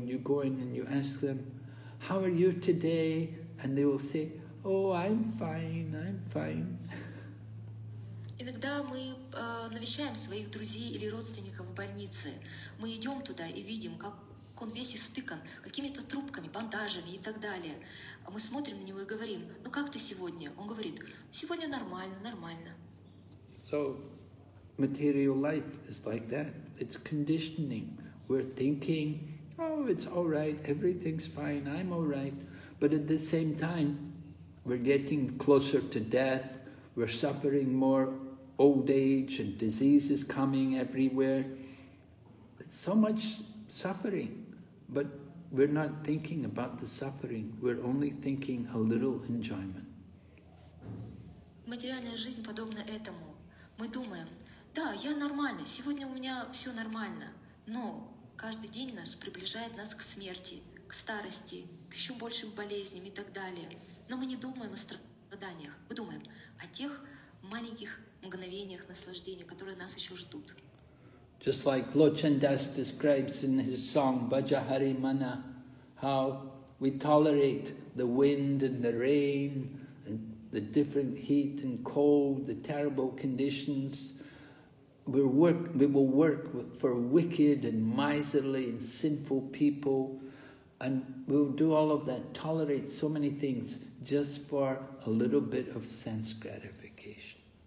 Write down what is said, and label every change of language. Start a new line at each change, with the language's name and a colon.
English: When you go in and you ask them, how are you today? And they will say, oh, I'm fine, I'm fine.
Russian: Иногда мы навещаем своих друзей или родственников в больнице. Мы идем туда и видим, как он весь истыкан какими-то трубками, бандажами и так далее. Мы смотрим на него и говорим: ну как ты сегодня? Он говорит: сегодня нормально, нормально.
English: So, material life is like that. It's conditioning. We're thinking, oh, it's all right, everything's fine, I'm all right. But at the same time, we're getting closer to death, we're suffering more old age and diseases coming everywhere. It's so much suffering, but we're not thinking about the suffering, we're only thinking a little enjoyment.
Russian: Материальная жизнь подобна этому. Мы думаем, Да, я нормально. Сегодня у меня все нормально. Но каждый день наш приближает нас к смерти, к старости, к еще большим болезням и так далее. Но мы не думаем о страданиях. Мы думаем о тех маленьких мгновениях наслаждения, которые нас еще ждут.
English: Just like Lord Chandas describes in his song Bhaja Hari Mana, how we tolerate the wind and the rain, and the different heat and cold, the terrible conditions. We will work for wicked and miserly and sinful people, and we'll do all of that, tolerate so many things just for a little bit of sense gratification.